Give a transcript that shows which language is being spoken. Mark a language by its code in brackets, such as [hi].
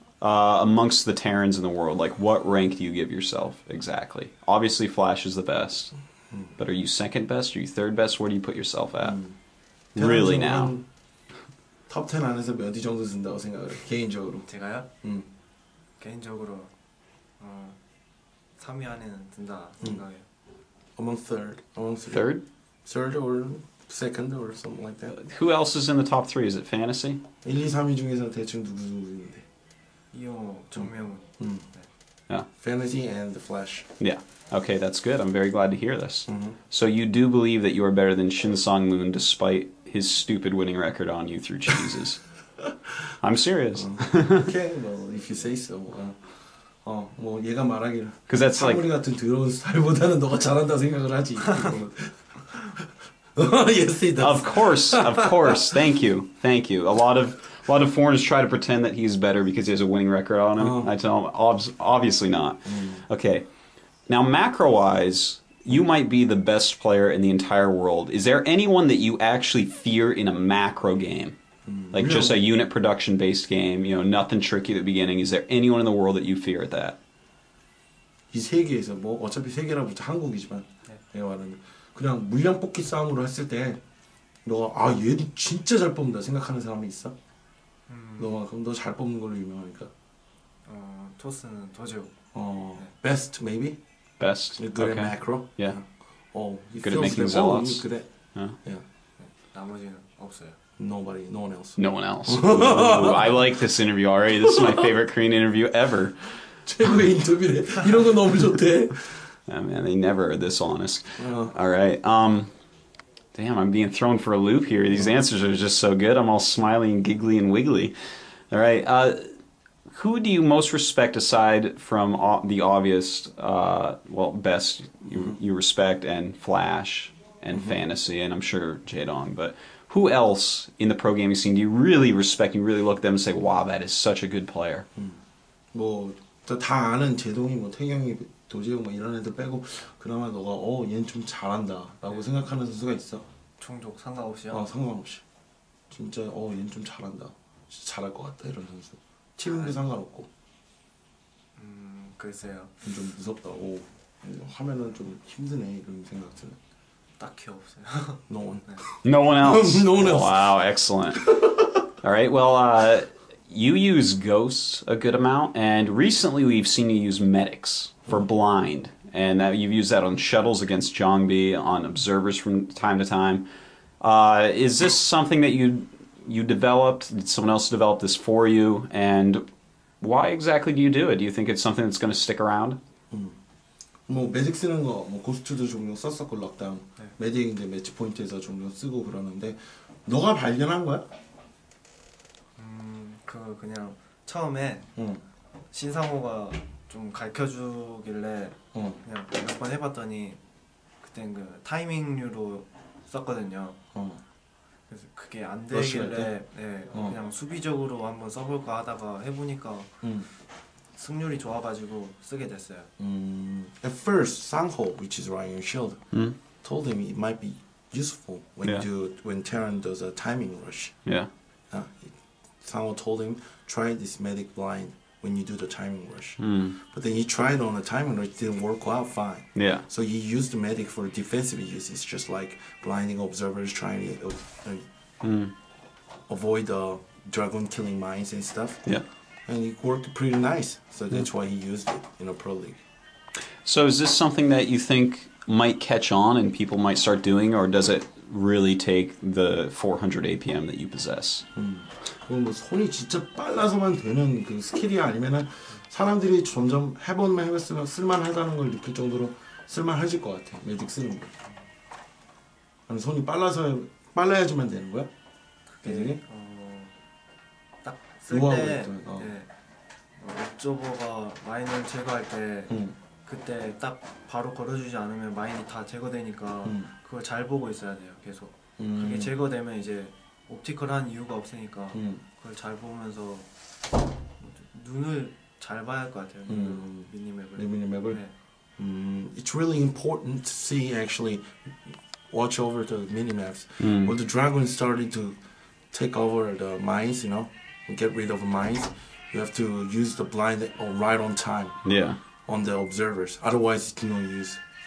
[en] Amongst the Terrans in the world, like what rank do you give yourself exactly? Obviously, Flash is the best, but are you second best? Are you third best? Where do you put yourself at? Really now? [ko] Top 10 안에서 몇 위 정도 된다고 생각해요? 개인적으로 제가요? 개인적으로 3위 안에는 든다 생각해요. [en] Among third? Third or second or something like that. Who else is in the top 3? Is it Fantasy? [ko] 1, 2, 3위 중에서 대충 누구 누구인데? 이형 [en] 정명훈. 네. Fantasy and the Flash. Yeah. Okay, that's good. I'm very glad to hear this. Mm-hmm. So you do believe that you are better than Shin Song Moon despite his stupid winning record on you through cheeses. I'm serious. Okay, well, if you say so. [ko] 뭐 얘가 말하길. [en] Because that's like. [ko] 사물이 같은 더러운 스타일보다는 너가 잘한다 생각을 하지. [en] Yes, he does. Of course. Thank you. A lot of foreigners try to pretend that he's better because he has a winning record on him. Oh. I tell him, obviously not. Okay. Now, macro-wise, you might be the best player in the entire world. Is there anyone that you actually fear in a macro game? Like, really? Just a unit production-based game, you know, nothing tricky at the beginning. Is there anyone in the world that you fear at that? [ko] 이 세계에서, 뭐 어차피 세계라고 다 한국이지만, 내가 말하는 그냥 물량 뽑기 싸움으로 했을 때, 너가, 아, 얘도 진짜 잘 뽑는다 생각하는 사람이 있어? 너가 그럼 너 잘 뽑는 걸로 유명하니까. 토스는 도저. 베스트 [en] maybe. Best. You're good okay. at macro. Yeah. Oh, you good at making zealots. Oh, good at. Yeah. Yeah. [ko] 나머지는 없어요. [en] Nobody. No one else. No one else. Ooh, I like this interview already. This is my favorite Korean interview ever. [ko] 최고의 인터뷰래. 이런 거 너무 좋대. [en] Yeah, man, they never are this honest. All right. Damn, I'm being thrown for a loop here. These answers are just so good. I'm all smiley and giggly and wiggly. All right. Who do you most respect aside from the obvious, best you respect and Flash and Fantasy and I'm sure Jadong, but who else in the pro gaming scene do you really respect? You really look at them and say, wow, that is such a good player. Well, [ko] 또 다 아는 제동이 뭐 태경이 도재용 뭐 이런 애들 빼고 그나마 너가 어 얘는 좀 잘한다라고 네. 생각하는 선수가 있어 종족 상관없이요? 어 상관없이 진짜 어 얘는 좀 잘한다 진짜 잘할 것 같다 이런 선수 체능도 아, 상관없고 글쎄요 좀 무섭다 오 하면은 좀 힘드네 이런 생각 드네 딱히 없어요 [en] no one 네. no one else no one else wow excellent alright well you use ghosts a good amount, and recently we've seen you use medics for blind, and that you've used that on shuttles against Jongbi, on observers from time to time. Is this something that you developed? Did someone else develop this for you? And why exactly do you do it? Do you think it's something that's going to stick around? [ko] Mm. 뭐 medic 쓰는 거, 뭐 ghost도 종종 썼었고 lockdown, 네. medic인데 match point에서 종종 쓰고 그러는데 너가 발견한 거야? 그 그냥 처음에 신상호가 좀 가르쳐주길래 그냥 몇 번 해봤더니 그땐 그 타이밍류로 썼거든요 그래서 그게 안 되길래 네, 그냥 수비적으로 한번 써볼까 하다가 해보니까 승률이 좋아가지고 쓰게 됐어요 [en] At first, Sangho, which is riding a shield, told him it might be useful when, yeah. when Terran does a timing rush yeah. Sangho told him, try this medic blind when you do the timing rush. But then he tried on the timing rush, it didn't work out fine. Yeah. So he used the medic for defensive use. It's just like blinding observers trying to avoid the dragon killing mines and stuff. Yeah. And it worked pretty nice. So that's why he used it in a pro league. So is this something that you think might catch on and people might start doing, or does it really take the 400 APM that you possess? Mm. [ko] 뭐 손이 진짜 빨라서만 되는 그 스킬이 아니면은 사람들이 점점 해보면 해봤으면 쓸만하다는 걸 느낄 정도로 쓸만해질 것 같아. 매직 쓰는 거. 아니 손이 빨라서 빨라야지만 되는 거야? 그게 네. 딱 쓸 때 업저버가 마인을 제거할 때 그때 딱 바로 걸어주지 않으면 마인이 다 제거되니까 그걸 잘 보고 있어야 돼요, 계속. 그게 제거되면 이제 옵티컬한 이유가 없으니까 그걸 잘 보면서 눈을 잘 봐야 할 것 같아요, 미니맵을. 미니맵을? 네. [en] It's really important to see, actually, watch over the minimaps. When the dragon started to take over the mines, you know, get rid of mines, you have to use the blind right on time. Yeah. On the observers, otherwise it's no use.